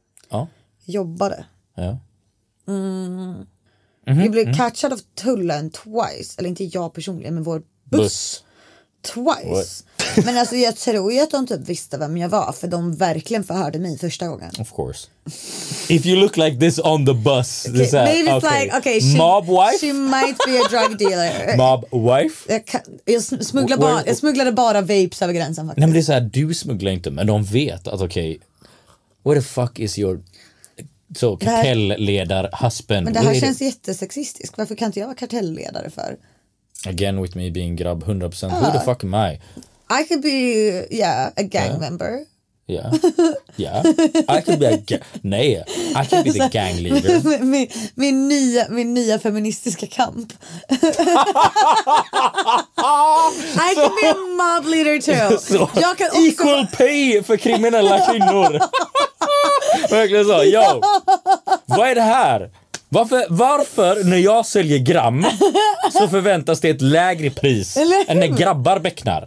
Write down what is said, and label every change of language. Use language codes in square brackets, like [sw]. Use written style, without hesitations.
[sv] Ja. Jobbade. Ja. Mm. Mm-hmm. Vi blev catchad av tullen twice. Eller inte jag personligen, men vår buss. Twice. Men alltså jag tror ju att de typ visste vem jag var. För de verkligen förhörde mig första gången. [en] Of course. If you look like this on the bus. Okay. This, maybe it's okay. Like, okay. She, mob wife? She might be a drug dealer. Mob wife? [sv] Jag smugglade bara vapes över gränsen faktiskt. Nej men det är så här, du smugglar inte. Men de vet att okej. [en] Okay, where the fuck is your... [sv] Så kartellledar husband. Men det här känns jättesexistiskt. Varför kan inte jag vara kartellledare för? [en] Again with me being grabb 100%. Who the fuck am I? I could be a gang member. Yeah. I could be I could be the gang leader. [sv] Min nya feministiska kamp. [en] I could be a mob leader too. [sv] So, jag kan också equal pay för kriminella kvinnor. Verkligen så, yo. Vad är det här? Varför när jag säljer gram så förväntas det ett lägre pris än när grabbar becknar?